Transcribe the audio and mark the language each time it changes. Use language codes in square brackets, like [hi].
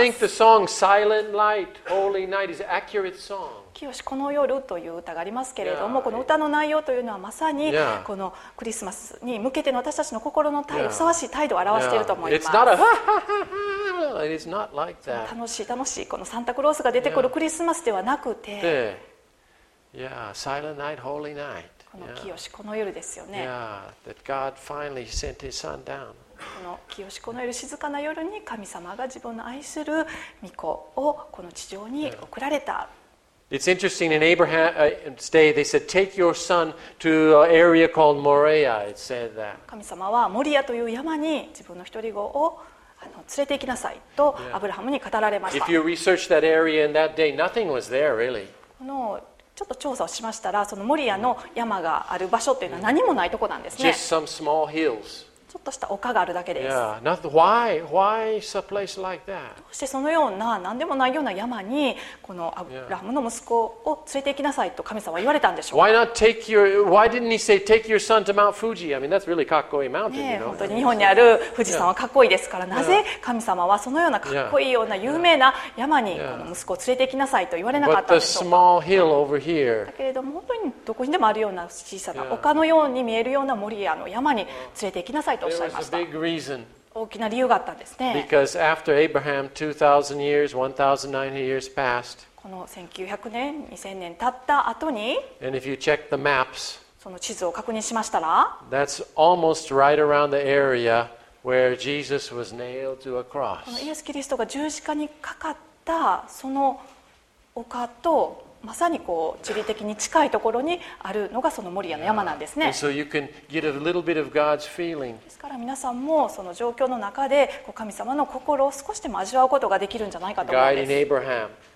[en] Yeah. I think the song "Silent Light, Holy Night" is an accurate song. [ja] きよしこの夜という歌がありますけれども、yeah. この歌の内容というのはまさにこのクリスマスに向けての私たちの心の態度、ふさわしい態度を表していると思います。 [en] Yeah. It's not a It is not like that. [ja] 楽しい楽しいこのサンタクロースが出てくるクリスマスではなくて、 [en] Yeah, Silent Night, Holy Night. [ja] このきよしこの夜ですよね。 [en] Yeah, that God finally sent His Son down. [ja] この清しこの夜静かな夜に神様が自分の愛する御子をこの地上に送られた。 [en] It's interesting in Abraham's day, they said, take your son to an area called Moria. It said that. [ja] 神様はモリアという山に自分の一人子を連れて行きなさいとアブラハムに語られました。 [en] If you research that area in that day, nothing was there really. [ja] このちょっと調査をしましたら、そのモリアの山がある場所というのは何もないところなんですね。 [en] Just some small hills. [ja] ちょっとした丘があるだけです。 [en] Yeah, not, why is a place like that? [ja] どうしてそのような何でもないような山にこのアブラハムの息子を連れて行きなさいと神様は言われたんでしょうか。 [en] Why not take your Why didn't he say take your son to Mount Fuji? I mean that's really かっこいい mountain, you know? [ja] 本当に日本にある富士山はかっこいいですから、なぜ神様はそのようなかっこいいような有名な山にこの息子を連れて行きなさいと言われなかったんでしょうか。 [en] But the small hill over here. [ja] だけれども本当にどこにでもあるような小さな丘のように見えるようなモリアの山に連れて行きなさいと。大きな理由があったんですね。 [en] Because after Abraham, 2,000 years, 1,900 years passed. [ja] この1900年、2000年経った後に、 [en] And if you check the maps, [ja] その地図を確認しましたら、 [en] That's almost right around the area where Jesus was nailed to a cross. [ja] このイエス・キリストが十字架にかかったその丘と、まさにこう地理的に近いところにあるのがそのモリアの山なんですね。ですから皆さんもその状況の中でこう神様の心を少しでも味わうことができるんじゃないかと思うんです。